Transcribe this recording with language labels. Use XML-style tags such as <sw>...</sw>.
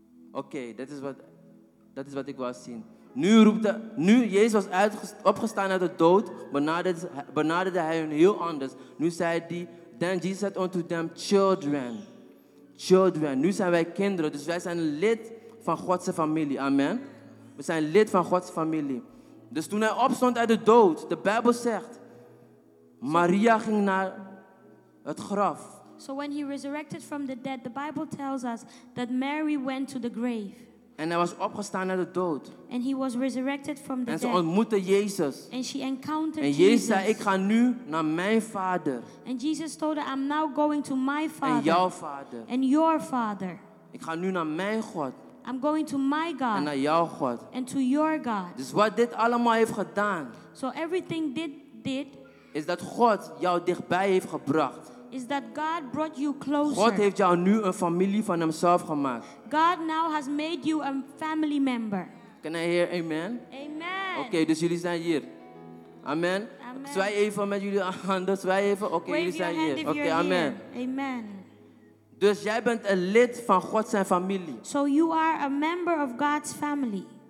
<nl>Oké, dat is wat ik wil zien. Nu Jezus was opgestaan uit de dood, benaderde hij hun heel anders. Nu zei hij,</nl> <en>then Jesus said unto them, children. children.</en> <nl>Nu zijn wij kinderen, dus wij zijn lid van Gods familie. Amen. We zijn lid van Gods familie. Dus toen hij opstond uit de dood, de Bijbel zegt, Maria ging naar het graf.</nl> <en>So when he resurrected from the dead, the Bible tells us that Mary went to the grave.</en> <nl>En hij was opgestaan uit de dood.</nl> <en>And he was resurrected from the dead.</en> <nl>En ze ontmoette Jezus.</nl> <en>And she encountered Jesus.</en> <nl>En Jezus zei, ik ga nu naar mijn vader.</nl> <en>And Jesus told her, I'm now going to my father.</en> <nl>En jouw vader.</nl> <en>And your father.</en> <nl>Ik ga nu naar mijn God.</nl> <en>I'm going to my God.</en> <nl>En naar jouw God.</nl> <en>And to your God.</en> <nl>Dus wat dit allemaal heeft gedaan.</nl> <en>So everything dit did.</en> <nl>Is dat God jou dichtbij heeft gebracht.</nl> <en>Is that God brought you closer.</en> <nl>God heeft jou nu een familie van hemzelf gemaakt.</nl> <en>God now has made you a family member. Can I hear amen? Amen.</en> <nl>Okay, dus jullie zijn hier. Amen. Amen. Zwaai even met jullie handen. Zwaai even. Oké, okay, jullie zijn hier. Oké, okay, amen.</nl> <en>Here. Amen.</en> <nl>Dus jij bent een lid van God zijn familie.</nl> <en>So you are a member of God's family.</en>